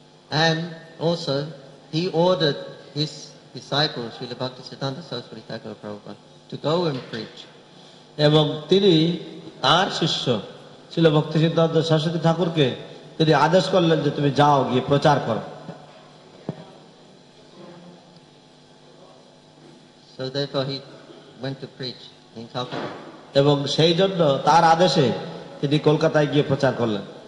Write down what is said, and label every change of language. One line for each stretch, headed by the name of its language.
English: And also he ordered his disciple Srila Bhakti Siddhanta Saraswati Thakur Prabhupada to go and preach.
Bangla: এবং তিনি তার শিষ্য ছিল ভক্তি সিদ্ধান্ত সরস্বতী ঠাকুরকে তিনি আদেশ করলেন যে তুমি যাও গিয়ে প্রচার করো।
English: So therefore he went to preach in Calcutta.
Bangla: এবং সেই জন্য তার আদেশে তিনি কলকাতায় গিয়ে প্রচার করলেন।